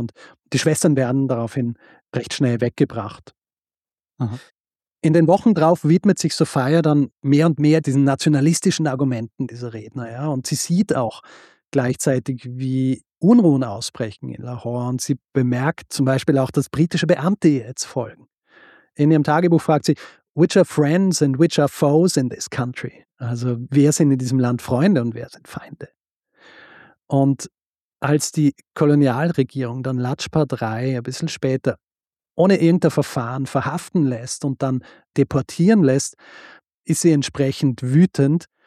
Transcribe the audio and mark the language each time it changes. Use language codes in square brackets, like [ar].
[de] Und die Schwestern werden daraufhin recht schnell weggebracht. Aha. In den Wochen drauf widmet sich Sophia dann mehr und mehr diesen nationalistischen Argumenten dieser Redner. Ja. Und sie sieht auch gleichzeitig, wie Unruhen ausbrechen in Lahore. Und sie bemerkt zum Beispiel auch, dass britische Beamte ihr jetzt folgen. [en] In ihrem Tagebuch fragt sie, which are friends and which are foes in this country? [de] Also wer sind in diesem Land Freunde und wer sind Feinde? Und als die Kolonialregierung dann Lajpat Rai ein bisschen später ohne irgendein Verfahren verhaften lässt und dann deportieren lässt, ist sie entsprechend wütend.